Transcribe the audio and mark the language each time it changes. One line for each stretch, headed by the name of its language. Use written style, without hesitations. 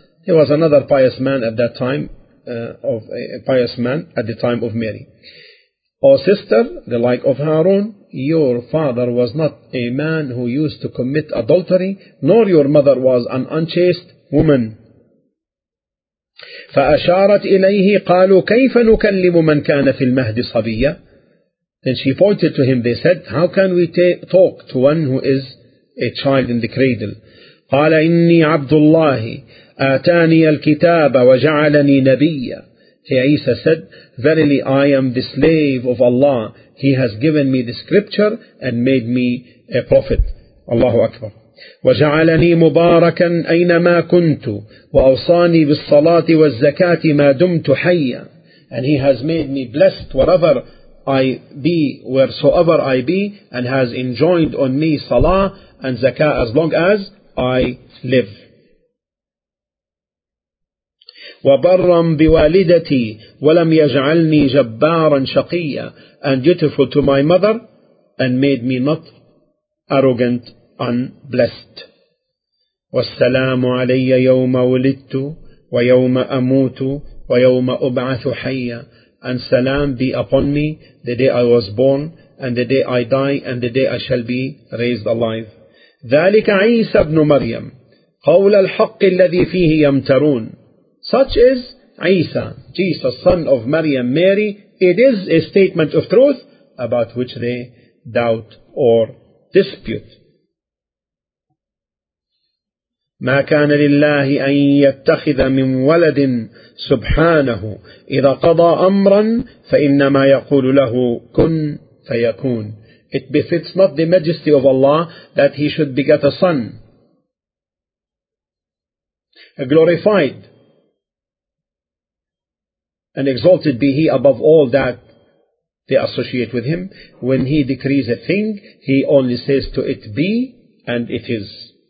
English: He was another pious man at that time, a pious man at the time of Mary. O sister, the like of Harun, your father was not a man who used to commit adultery, nor your mother was an unchaste woman.
Arabic: فأشارت إليه قالوا كيف نكلم من كان في المهد صبيا.
English: Then she pointed to him. They said, how can we talk to one who is a child in the cradle?
Arabic: قال إني عبد الله آتاني الكتاب وجعلني نبيا.
English: Isa said, verily I am the slave of Allah. He has given me the scripture and made me a prophet.
Arabic: Allahu Akbar. وجعلني مباركا أينما كنت وأوصاني بالصلاة والزكاة ما دمت حيا.
English: And he has made me blessed wherever I be, wheresoever I be, and has enjoined on me salah and zakah as long as I live.
Arabic: وبرم بوالدتي ولم يجعلني جبارا شقيا.
English: And dutiful to my mother and made me not arrogant, unblessed.
Arabic: والسلام علي يوم ولدت ويوم أموت ويوم أبعث حيا.
English: And salam be upon me the day I was born and the day I die and the day I shall be raised alive.
Arabic: ذلك عيسى بن مريم قول الحق الذي فيه يمترون.
English: Such is عيسى, Jesus, son of Maryam, Mary. It is a statement of truth about which they doubt or dispute.
Arabic: ما كان لله أن يتخذ من ولد سبحانه إذا قضى أمرا فإنما يقول له كن فيكون.
English: It befits not the majesty of Allah that he should beget a son, a glorified and exalted be he above all that they associate with him. When he decrees a thing, he only says to it be and it is.